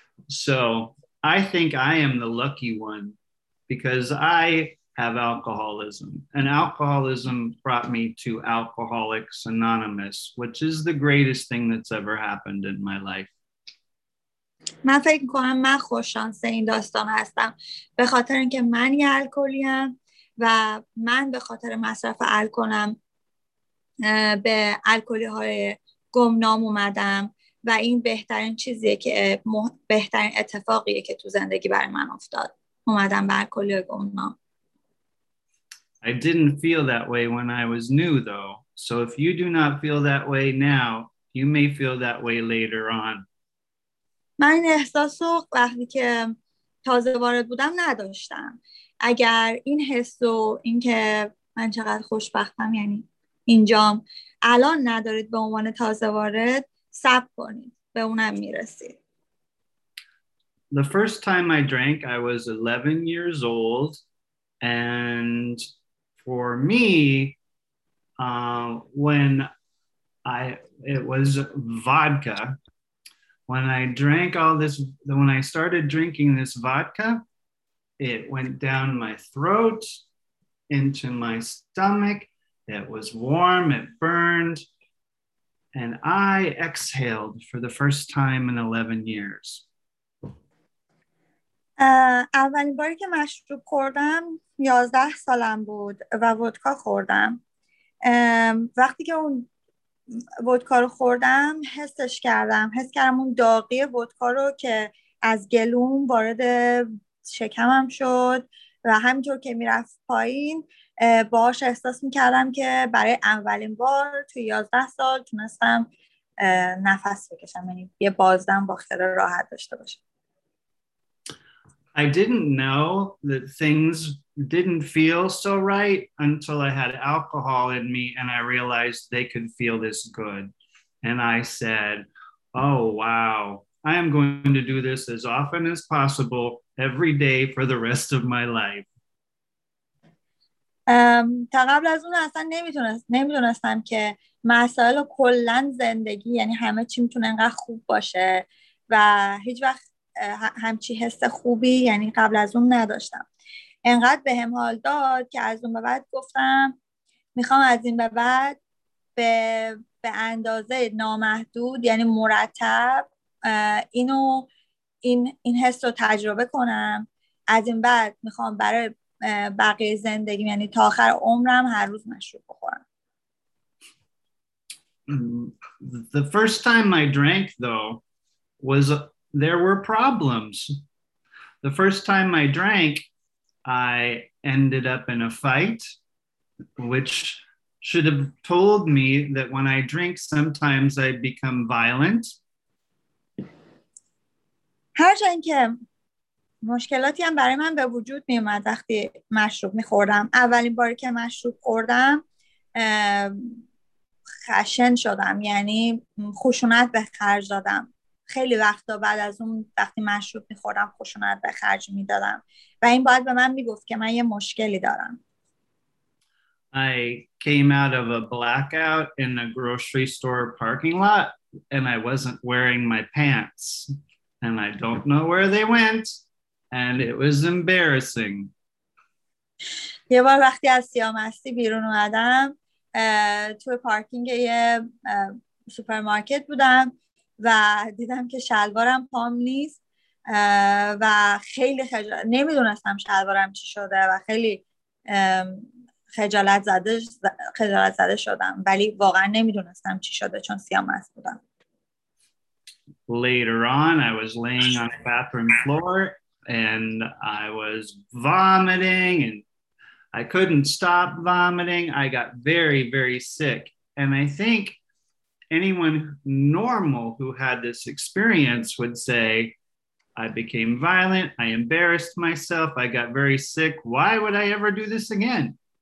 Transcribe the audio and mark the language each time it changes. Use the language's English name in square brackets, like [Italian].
[English] So I think I am the lucky one. because I have alcoholism. And alcoholism brought me to Alcoholics Anonymous, which is the greatest thing that's ever happened in my life. [Persian] من فکر می‌کنم من خوش‌شانس این داستان هستم به خاطر اینکه من یه الکلی‌ام و من به خاطر مصرف الکلم به الکلی‌های گمنام اومدم و این بهترین چیزیه که بهترین اتفاقیه که تو زندگی برای من افتاد اومدم به الکلی‌های گمنام. [English] I didn't feel that way when I was new though. So if you do not feel that way now, you may feel that way later on. [Persian] من این احساس رو وقتی که تازه وارد بودم نداشتم. اگر این حس و این که من چقدر خوشبختم یعنی اینجام الان ندارید به عنوان تازه وارد صبر کنید. به اونم میرسید. [English] The first time I drank, I was 11 years old. And for me, when I, it was vodka. When I drank all this, when I started drinking this vodka, it went down my throat, into my stomach. It was warm, it burned. And I exhaled for the first time in 11 years. [Persian] اولین باری که مشروب خوردم 11 سالم بود و ودکا خوردم. وقتی که اون ودکا رو خوردم حس کردم اون داغی ودکا رو که از گلوم وارد شکمم شد و همینطور که میرفت پایین باهاش احساس میکردم که برای اولین بار توی 11 سال تونستم نفس بکشم، یعنی یه بازدم با خیال راحت داشته باشم. [English] I didn't know that things didn't feel so right until I had alcohol in me and I realized they could feel this good. And I said, oh, wow, I am going to do this as often as possible every day for the rest of my life. [Persian] تا قبل از اون اصلا نمیدونستم که مسائل و کلن زندگی یعنی همه چی میتونه انقدر خوب باشه و هیچ وقت همچی حس خوبی یعنی قبل از اون نداشتم. انقدر به هم حال داد که از اون به بعد گفتم میخوام از این به بعد به اندازه نامحدود یعنی مرتب اینو این حس رو تجربه کنم. از این بعد میخوام برای بقیه زندگی یعنی تا آخر عمرم هر روز مشروب بخورم. [English] The first time I drank though was there were problems. The first time I drank, I ended up in a fight, which should have told me that when I drink, sometimes I become violent. [Persian] هر جایی که مشکلاتی هم برای من به وجود می اومد وقتی مشروب می خوردم. اولین باری که مشروب خوردم خشن شدم، یعنی خشونت به خرج دادم. خیلی وقتا بعد از اون وقتی مشروب می‌خوردم خشونت به خرج می‌دادم و این باید به من میگفت که من یه مشکلی دارم. [English] I came out of a blackout in a grocery store parking lot and I wasn't wearing my pants and I don't know where they went and it was embarrassing. [Persian] یه بار وقتی از سیامستی بیرون اومدم توی پارکینگ یه سوپرمارکت بودم و دیدم که شلوارم پام نیست و خیلی نمیدونستم شلوارم چی شده و خیلی خجالت زده شدم، ولی واقعا نمیدونستم چی شده چون سیامست بودم. [English] Later on I was laying on the bathroom floor and I was vomiting and I couldn't stop vomiting. I got very very sick and I think anyone normal who had this experience would say, I became violent, I embarrassed myself, I got very sick, why would I ever do this again?